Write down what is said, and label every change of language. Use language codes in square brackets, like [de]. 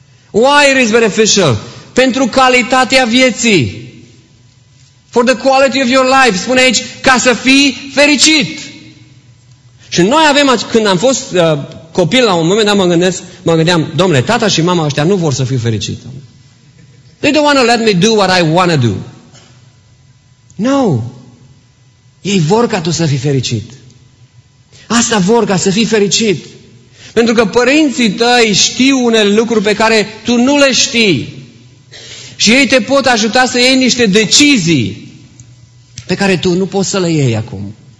[en] Why is beneficial? [ro] Pentru calitatea vieții. [en] For the quality of your life, [ro] spune aici, ca să fii fericit. Și noi avem, când am fost copil, la un moment dat mă gândeam, domnule, tata și mama ăștia nu vor să fiu fericit. [en] They don't want to let me do what I want to do. No. [ro] Ei vor ca tu să fii fericit. Asta vor, ca să fii fericit. Pentru că părinții tăi știu unele lucruri pe care tu nu le știi. Și ei te pot ajuta să iei niște decizii pe care tu nu poți să le iei acum.